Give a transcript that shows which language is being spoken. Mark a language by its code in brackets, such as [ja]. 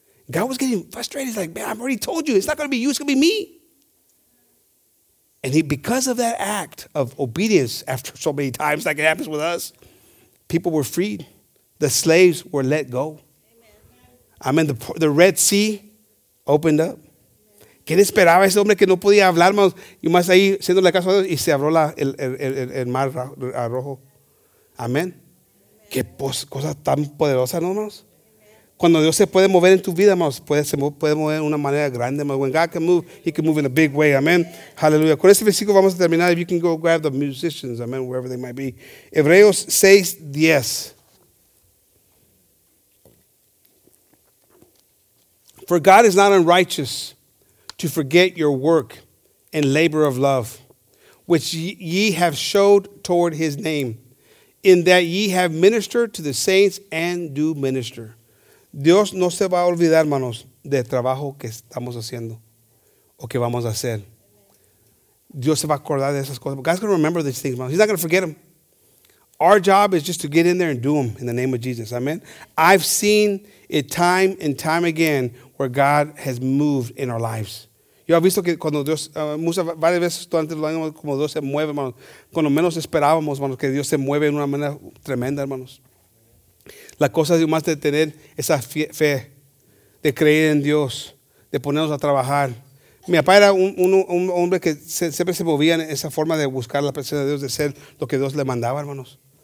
[en] God was getting frustrated. He's like, man, I've already told you. It's not going to be you. It's going to be me. And he, because of that act of obedience after so many times, like it happens with us, people were freed. The slaves were let go. Amen. I mean, the Red Sea opened up. [es] ¿Qué esperaba ese hombre que no podía hablar? Y más ahí, siendo la casa de Dios, y se abrió el mar rojo. Amén. Qué cosa tan poderosa, ¿no, hermanos? Cuando Dios se puede mover en tu vida, hermanos, puede mover de una manera grande. [en] When God can move, he can move in a big way. Amén. Aleluya. [es] Con este versículo vamos a terminar. [en] If you can go grab the musicians, amén, wherever they might be. Hebreos 6, 10. For God is not unrighteous to forget your work and labor of love, which ye have showed toward his name, in that ye have ministered to the saints and do minister. [es] Dios no se va a olvidar, hermanos, del trabajo que estamos haciendo o que vamos a hacer. Dios se va a acordar de esas cosas. [en] God's going to remember these things, hermanos. He's not going to forget them. Our job is just to get in there and do them in the name of Jesus. Amen. I've seen it time and time again where God has moved in our lives. [es] Yo he visto que cuando Dios, muchas varias veces durante los años, como Dios se mueve, hermanos. Cuando menos esperábamos, hermanos, que Dios se mueve de una manera tremenda, hermanos. La cosa es más de tener esa fe, de creer en Dios, de ponernos a trabajar. Mi papá era un hombre que siempre se movía en esa forma de buscar la presencia de Dios, de ser lo que Dios le mandaba, hermanos.